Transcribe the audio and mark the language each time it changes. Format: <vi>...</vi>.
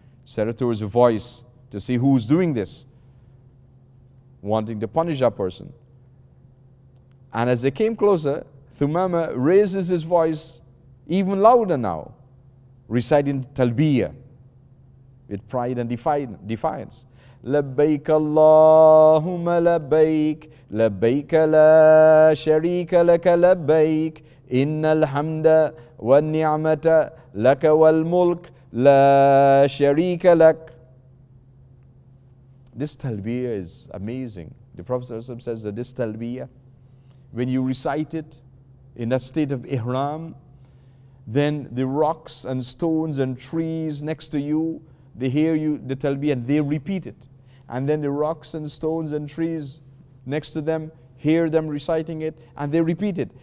<en>Senator is a voice to see who's doing this, wanting to punish that person. And as they came closer, Thumama raises his voice even louder now, reciting Talbiyah with pride and defiance.</en> <ar>لبيك اللهم لبيك لبيك لا شريك لك لبيك إن الحمد والنعمة لك والملك لا شريك لك.</ar> <en>This Talbiyah is amazing. The Prophet says that this Talbiyah, when you recite it in a state of ihram, then the rocks and stones and trees next to you, they hear you, the Talbiyah, and they repeat it. And then the rocks and stones and trees next to them hear them reciting it, and they repeat it.</en>